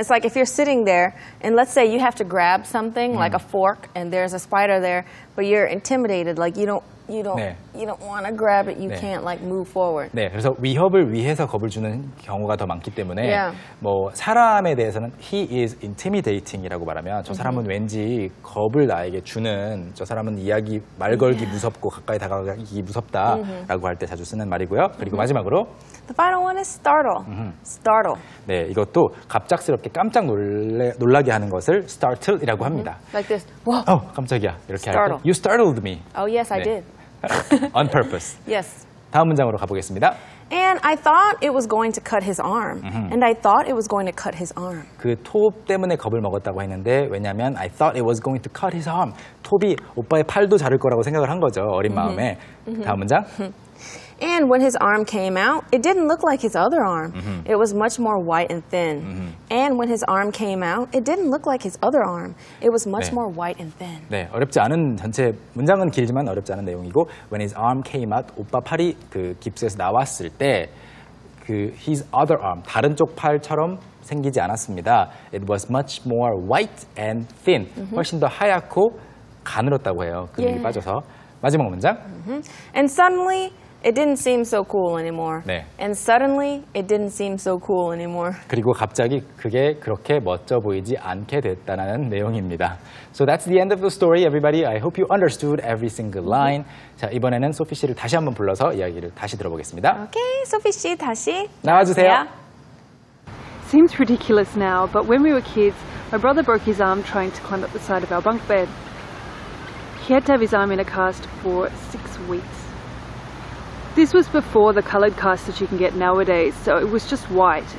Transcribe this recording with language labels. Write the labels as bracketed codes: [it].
[en] It's like if you're sitting there and let's say you have to grab something like a fork and there's a spider there but you're intimidated like you don't want to grab it. You 네. can't like move forward. [ko] 네. 그래서 위협을 위해서 겁을 주는 경우가 더 많기 때문에 [en] yeah. [ko] 뭐 사람에 대해서는 he is intimidating이라고 말하면 저 사람은 mm-hmm. 왠지 겁을 나에게 주는 저 사람은 이야기 말 걸기 yeah. 무섭고 가까이 다가가기 무섭다라고 mm-hmm. 할 때 자주 쓰는 말이고요. 그리고 mm-hmm. 마지막으로 [en] The final one is startle. Mm-hmm. Startle. [ko] 네. 이것도 갑작스럽게 깜짝 놀라게 하는 것을 startle이라고 합니다. [en] Mm-hmm. Like this. 와. [ko] 어, 깜짝이야. 이렇게 startle. 할 때 [en] You startled me. Oh, yes, I 네. did. On purpose. Yes. [ko] 다음 문장으로 가보겠습니다. [en] And I thought it was going to cut his arm. Mm-hmm. And I thought it was going to cut his arm. [ko] 그 톱 때문에 겁을 먹었다고 했는데 왜냐하면 [en] I thought it was going to cut his arm. [ko] 톱이 오빠의 팔도 자를 거라고 생각을 한 거죠. 어린 mm-hmm. 마음에. Mm-hmm. 다음 문장. [en] And when his arm came out, it didn't look like his other arm. Mm-hmm. It was much more white and thin. Mm-hmm. And when his arm came out, it didn't look like his other arm. It was much 네. more white and thin. [ko] 네, 어렵지 않은 전체 문장은 길지만 어렵지 않은 내용이고 [en] When his arm came out, [ko] 오빠 팔이 그 깁스에서 나왔을 때 그 his other arm, 다른 쪽 팔처럼 생기지 않았습니다. [en] It was much more white and thin. Mm-hmm. [ko] 훨씬 더 하얗고 가늘었다고 해요. 근육이 yeah. 빠져서. 마지막 문장. Mm-hmm. [en] And suddenly, It didn't seem so cool anymore. [ko] 네. [en] And suddenly, it didn't seem so cool anymore. [ko] 그리고 갑자기 그게 그렇게 멋져 보이지 않게 됐다는 내용입니다. [en] So that's the end of the story, everybody. I hope you understood every single line. Mm-hmm. [ko] 자, 이번에는 소피 씨를 다시 한번 불러서 이야기를 다시 들어보겠습니다. Okay, 소피 씨 다시 나와주세요. Yeah. [en] Seems ridiculous now, but when we were kids, my brother broke his arm trying to climb up the side of our bunk bed. He had to have his arm in a cast for 6 weeks. This was before the coloured cast that you can get nowadays, so it was just white.